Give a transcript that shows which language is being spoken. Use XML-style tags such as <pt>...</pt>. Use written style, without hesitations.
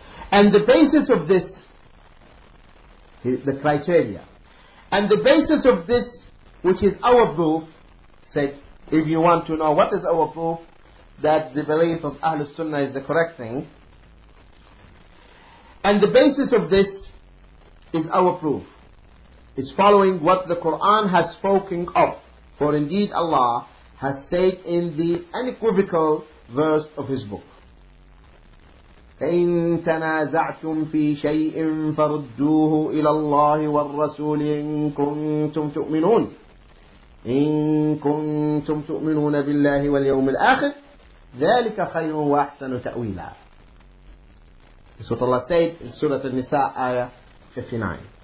<en>And the basis of this, the criteria, and the basis of this, which is our proof, said, if you want to know what is our proof, that the belief of Ahlul Sunnah is the correct thing, and the basis of this is our proof, is following what the Quran has spoken of. For indeed Allah has said in the unequivocal verse of His book,</en> <ar>فَإِن تَنَازَعْتُمْ فِي شَيْءٍ فَرُدُّوهُ إِلَى اللَّهِ وَالرَّسُولِ إِن كُنْتُمْ تُؤْمِنُونَ إِن كُنْتُمْ تُؤْمِنُونَ بِاللَّهِ وَالْيَوْمِ الْآخِرِ ذَلِكَ خَيْرٌ وَأَحْسَنُ تَأْوِيلًا.</ar> <en>This is what Allah said in Surah Al-Nisa, ayah 59.</en>